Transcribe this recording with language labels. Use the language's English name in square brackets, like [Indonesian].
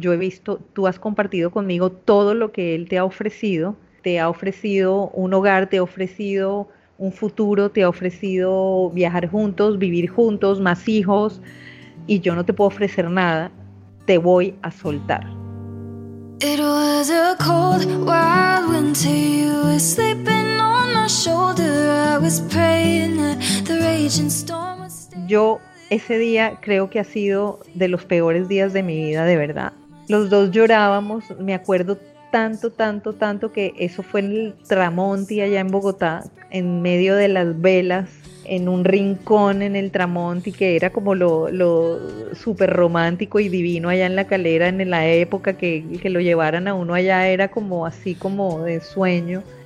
[Spanish] Yo he visto, tú has compartido conmigo todo lo que él te ha ofrecido un hogar, te ha ofrecido un futuro, te ha ofrecido viajar juntos, vivir juntos, más hijos, y yo no te puedo ofrecer nada, te voy a soltar. [English] It was a cold wild winter, you were sleeping on my shoulder, I was praying that the raging storm was still. [Spanish] Yo ese día creo que ha sido de los peores días de mi vida, de verdad. Los dos llorábamos, me acuerdo tanto, tanto, tanto que eso fue en el Tramonti allá en Bogotá, en medio de las velas, en un rincón en el Tramonti, que era como lo súper romántico y divino allá en La Calera, en la época que lo llevaran a uno allá, era como así como de sueño.